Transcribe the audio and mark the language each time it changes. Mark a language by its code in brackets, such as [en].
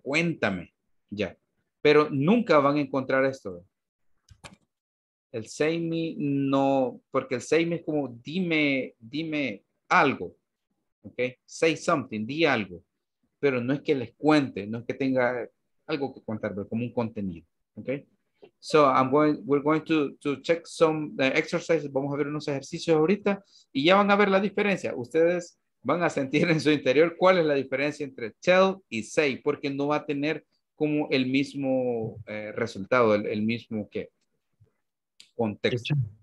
[es] Cuéntame, ya. Pero nunca van a encontrar esto. El say me no, porque el say me es como dime algo. Okay, [en] say something, [es] di algo, pero no es que les cuente, no es que tenga algo que contar, pero como un contenido. [en] Okay, so we're going to check some exercises. [es] Vamos a ver unos ejercicios ahorita y ya van a ver la diferencia. Ustedes van a sentir en su interior cuál es la diferencia entre tell y say, porque no va a tener como el mismo resultado, el mismo qué contexto.